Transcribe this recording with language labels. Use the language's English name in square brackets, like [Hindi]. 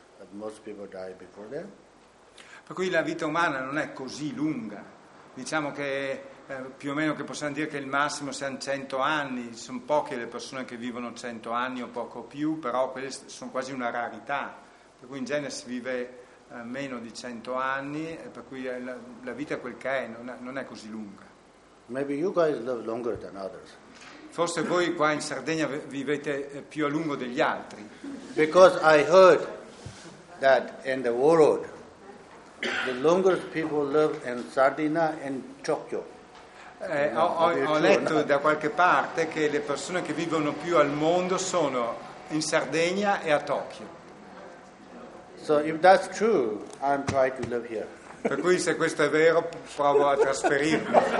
[English] Most people die before them. [Italian] Per cui la vita umana non è così lunga, diciamo che più o meno che possiamo dire che il massimo siano 100 anni, sono poche le persone che vivono 100 anni o poco più, però quelle sono quasi una rarità, per cui in genere si vive meno di 100 anni, per cui la vita è quel che è, non è così lunga. [English] Maybe you guys live longer than others. [Italian] Forse voi qua in Sardegna vivete più a lungo degli altri. [English] Because I heard that in the world the longest people live in Sardinia and Tokyo. [Italian] Ho letto da qualche parte che le persone che vivono più al mondo sono in Sardegna e a Tokyo. [English] So if that's true, I'm trying to live here. [Italian] Per cui se questo è vero, provo a trasferirmi.